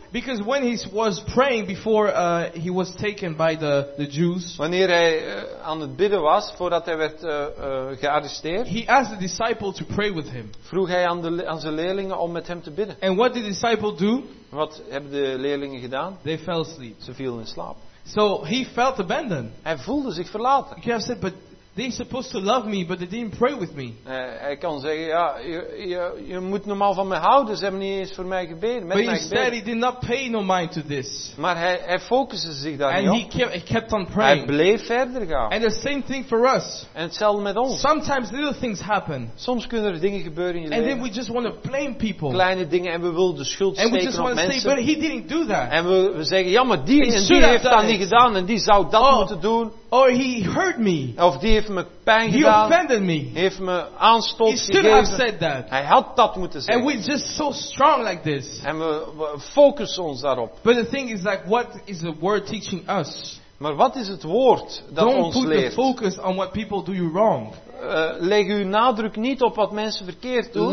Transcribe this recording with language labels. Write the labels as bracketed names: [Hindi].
[English] Because when he was praying before he was taken by the Jews. [Dutch] Wanneer hij aan het bidden was voordat hij werd gearresteerd. [English] He asked the disciple to pray with him. [Dutch] Vroeg hij aan zijn leerlingen om met hem te bidden. [English] And what did the disciple do? [Dutch] Wat hebben de leerlingen gedaan? [English] They fell asleep. [Dutch] Ze vielen in slaap. [English] So he felt abandoned. [Dutch] Hij voelde zich verlaten. [English] You have said, but they're supposed to love me, but they didn't pray with me. [Dutch] Hij kan zeggen, ja, je moet normaal van me houden. Ze hebben niet eens voor mij gebeden. [English] But instead, he did not pay no mind to this. [Dutch] Maar hij focuste zich daar [English] and [Dutch] niet op. [English] And he kept on praying. [Dutch] Hij bleef verder gaan. [English] And the same thing for us. [Dutch] En hetzelfde met ons. [English] Sometimes little things happen. [Dutch] Soms kunnen er dingen gebeuren in je [English] and [Dutch] leven. [English] And then we just want to blame people. [Dutch] Kleine dingen en we willen de schuld [English] and [Dutch] steken op mensen. [English] And we just want to say, but he didn't do that. [Dutch] En we zeggen, ja, maar die en die heeft dat niet gedaan en die zou dat moeten doen. [English] Or he hurt me. [Dutch] Of die heeft me pijn [English] he [Dutch] gedaan. [English] He offended me. [Dutch] Heeft me aanstoot gegeven. [English] He should have said that. [Dutch] Hij had dat moeten zeggen. [English] And we're just so strong like this. [Dutch] En we focussen ons daarop. [English] But the thing is like, what is the word teaching us? [Dutch] Maar wat is het woord dat [English] don't [Dutch] ons leert? [English] Don't put the focus on what people do you wrong. [Dutch] Leg uw nadruk niet op wat mensen verkeerd doen.